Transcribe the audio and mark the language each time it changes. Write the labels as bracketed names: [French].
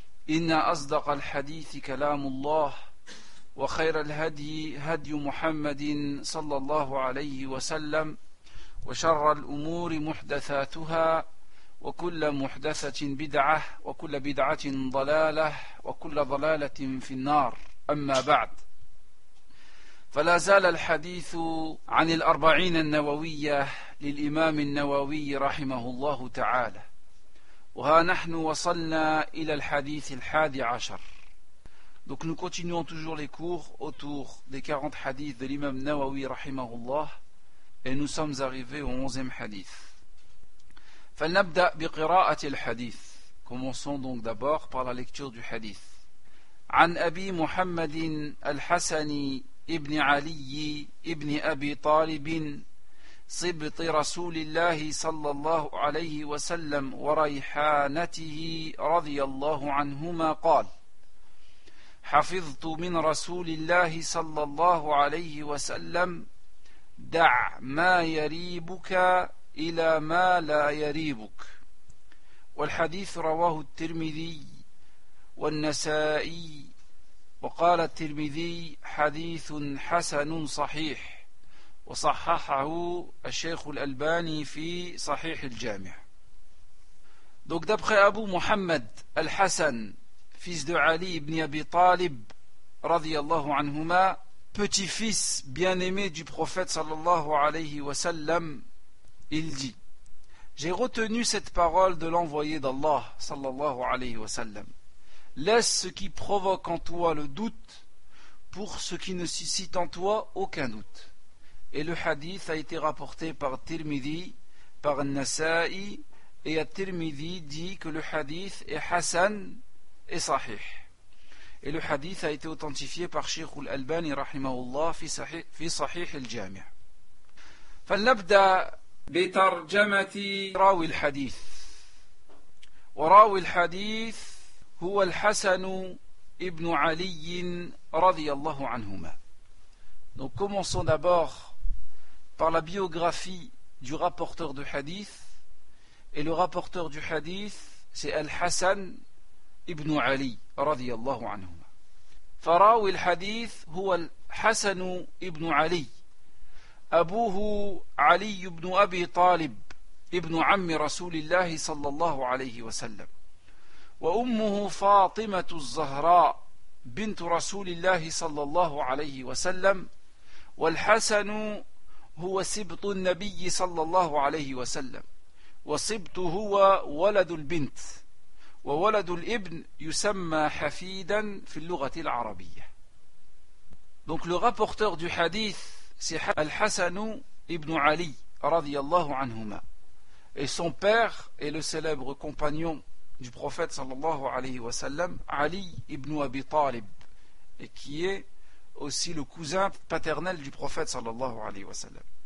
[Arabic] إن أصدق الحديث كلام الله وخير الهدي هدي محمد صلى الله عليه وسلم وشر الأمور محدثاتها وكل محدثة بدعة وكل بدعة ضلالة وكل ضلالة في النار أما بعد فلا زال الحديث عن الأربعين النووية للإمام النووي رحمه الله تعالى وها نحن وصلنا إلى الحديث الحادي عشر. [French] Donc nous continuons toujours les cours autour des 40 hadiths de l'imam Nawawi رحمه الله et nous sommes arrivés au 11e hadith. [Arabic] فلنبدأ بقراءة الحديث. [French] Commençons donc d'abord par la lecture du hadith. [Arabic] عن أبي محمد الحسني ابن علي ابن أبي طالب صبط رسول الله صلى الله عليه وسلم وريحانته رضي الله عنهما قال حفظت من رسول الله صلى الله عليه وسلم دع ما يريبك إلى ما لا يريبك. والحديث رواه الترمذي والنسائي وقال الترمذي حديث حسن صحيح وصححه الشيخ الألباني في صحيح الجامع. [French] Donc d'après Abu Muhammad al-Hassan, fils de Ali ibn Abi Talib, radiyallahu anhuma, petit-fils bien-aimé du prophète sallallahu alayhi wa sallam, il dit: j'ai retenu cette parole de l'envoyé d'Allah sallallahu alayhi wa sallam: laisse ce qui provoque en toi le doute pour ce qui ne suscite en toi aucun doute. Et le hadith a été rapporté par Tirmidhi, par Nasa'i, et Tirmidhi dit que le hadith est Hassan et Sahih. Et le hadith a été authentifié par Sheikh al-Albani rahimahullah fi Sahih al-Jami'. [Arabic] فلنبدأ بترجمة راوي الحديث. وراوي الحديث هو الحسن ابن علي رضي الله عنهما. [French] Donc commençons d'abord par la biographie du rapporteur du hadith. Et le rapporteur du hadith, c'est Al-Hassan ibn Ali رضي الله عنهما. [Arabic] فراوي الحديث هو الحسن ابن علي. أبوه علي بن أبي طالب ابن عم رسول الله صلى الله عليه وسلم. وأمه فاطمة الزهراء بنت رسول الله صلى الله عليه وسلم. والحسن هو سبط النبي صلى الله عليه وسلم. وسبط هو ولد البنت، وولد الابن يسمى حفيدا في اللغة العربية. [French] Donc le rapporteur du hadith c'est Al-Hassan ibn Ali رضي الله عنهما. Et son père est le célèbre compagnon du prophète sallallahu alayhi wa sallam, Ali ibn Abi Talib, et qui est aussi le cousin paternel du prophète sallallahu alayhi wa sallam.